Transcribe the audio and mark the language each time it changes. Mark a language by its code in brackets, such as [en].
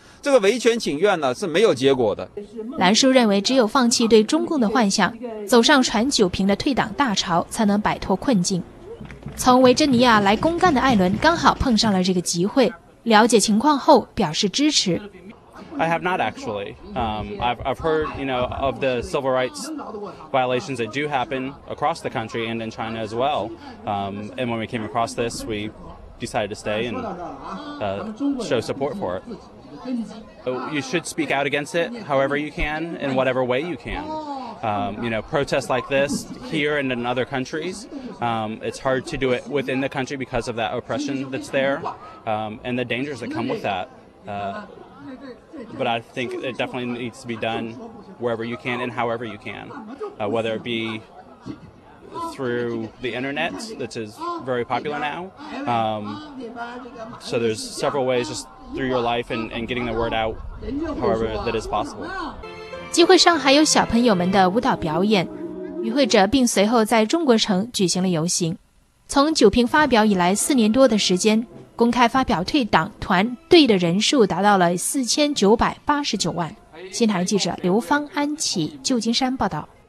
[zh] 这个维权请愿呢是没有结果的。蓝叔认为，只有放弃对中共的幻想，走上传九平的退党大潮，才能摆脱困境。从维珍尼亚来公干的艾伦刚好碰上了这个机会，了解情况后表示支持。 [en] I have not actually. I've heard, you know, of the civil rights violations that do happen across the country and in China as well. And when we came across this, we decided to stay and show support for it. You should speak out against it however you can, in whatever way you can. You know, protests like this here and in other countries, it's hard to do it within the country because of that oppression that's there, and the dangers that come with that. But I think it definitely needs to be done wherever you can and however you can, whether it be through the internet, which is very popular now. So there's several ways just. through your life and getting the word out however that is possible. [zh] 集会上还有小朋友们的舞蹈表演，与会者并随后在中国城举行了游行。从九平发表以来4年多的时间，公开发表退党团队的人数达到了4989万。新台记者刘芳、安琪，旧金山报道。